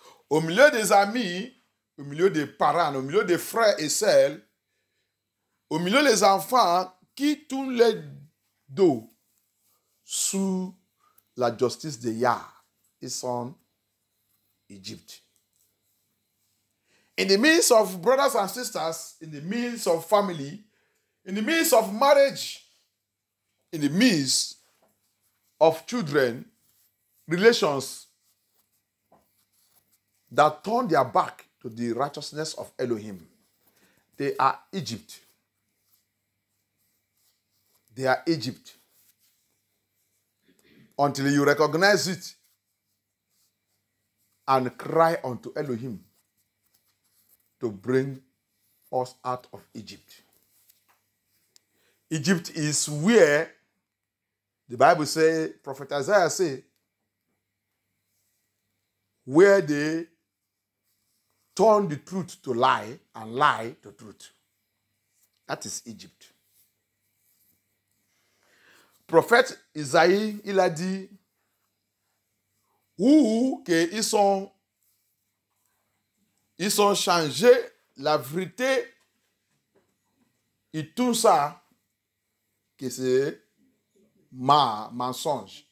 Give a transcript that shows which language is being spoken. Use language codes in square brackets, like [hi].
[fr] Au milieu des amis, au milieu des parents, au milieu des frères et sœurs, au milieu des enfants qui tournent le dos sous la justice de Yah, ils sont Égypte. [en] In the midst of brothers and sisters, in the midst of family, in the midst of marriage, in the midst of children, relations that turn their back to the righteousness of Elohim, They are Egypt. They are Egypt. Until you recognize it and cry unto Elohim to bring us out of Egypt. Egypt is where the Bible says, Prophet Isaiah said, where they turn the truth to lie and lie to truth. That is Egypt. [fr] Prophet Isaiah, il a dit, où que ils sont changés la vérité et tout ça, que c'est mensonge.